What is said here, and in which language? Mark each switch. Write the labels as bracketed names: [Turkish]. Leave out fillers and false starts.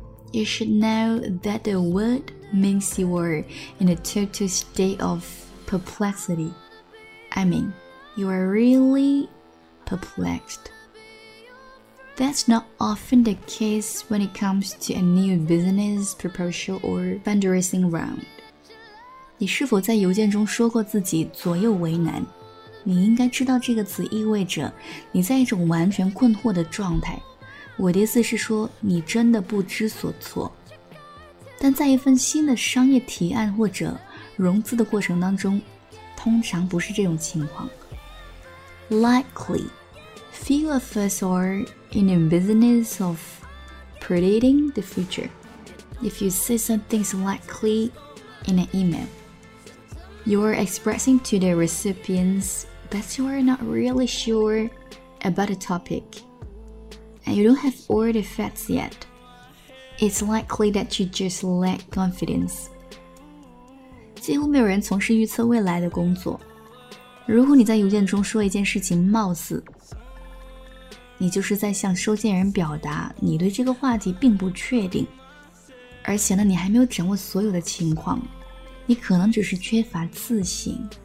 [English] You should know that the word means you're in a total state of perplexity. I mean, you're really perplexed. That's not often the case when it comes to a new business proposal or fundraising round. [Chinese] 你是否在邮件中说过自己左右为难？你应该知道这个词意味着你在一种完全困惑的状态。我的意思是说，你真的不知所措。但在一份新的商业提案或者融资的过程当中，通常不是这种情况。 [English] Likely, few of us are in the business of predicting the future. If you say something's likely in an email, you're expressing to the recipients. But you are not really sure about the topic, and you don't have all the facts yet. It's likely that you just lack confidence. [Chinese] 几乎没有人从事预测未来的工作。如果你在邮件中说一件事情貌似，你就是在向收件人表达你对这个话题并不确定，而且呢，你还没有掌握所有的情况，你可能只是缺乏自信。